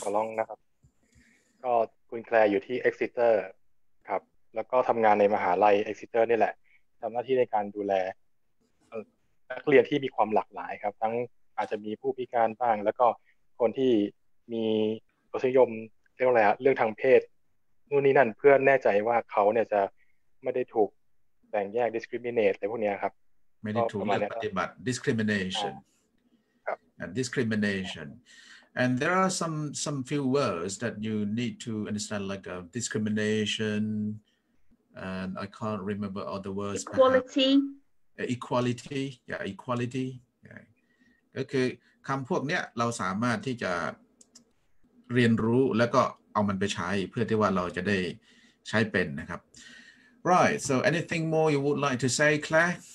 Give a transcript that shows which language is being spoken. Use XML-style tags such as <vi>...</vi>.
<th>ขอลองนะครับก็คุณแคลร์อยู่ที่ Exeterแล้วก็ทำงานในมหาลัยเอ็กซิเตอร์นี่แหละทำหน้าที่ในการดูแลนักเรียนที่มีความหลากหลายครับทั้งอาจจะมีผู้พิการบ้างแล้วก็คนที่มีรสนิยมเรียกว่าอะไรเรื่องทางเพศนู่นนี่นั่นเพื่อแน่ใจว่าเขาเนี่ยจะไม่ได้ถูกแบ่งแยก discriminate อะไรพวกนี้ครับ ไม่ได้ถูกเลือกปฏิบัติ discrimination ครับ</th> <en>discrimination And there are some few words that you need to understand, like discrimination, and I can't remember all the words. Equality. Equality. Yeah, equality. Yeah.</en> <th>ก็คือคำพวกเนี้ยเราสามารถที่จะเรียนรู้แล้วก็เอามันไปใช้เพื่อที่ว่าเราจะได้ใช้เป็นนะครับ Right.</th> <en>So anything more you would like to say, Claire?</en>